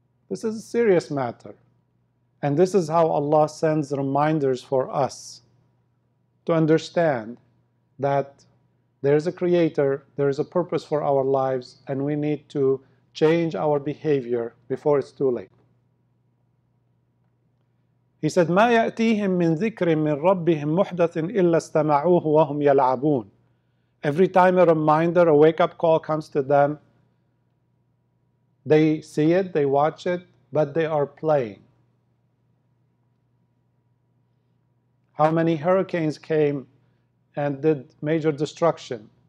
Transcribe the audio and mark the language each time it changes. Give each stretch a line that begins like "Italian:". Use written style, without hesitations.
English: This is a serious matter. And this is how Allah sends reminders for us to understand that there is a creator, there is a purpose for our lives, and we need to change our behavior before it's too late. He said,
Arabic: مَا يَأْتِيهِمْ مِنْ ذِكْرٍ مِنْ رَبِّهِمْ مُحْدَثٍ إِلَّا اسْتَمَعُوهُ وَهُمْ يَلْعَبُونَ.
English: Every time a reminder, a wake-up call comes to them, They see it, they watch it, but they are playing. How many hurricanes came and did major destruction?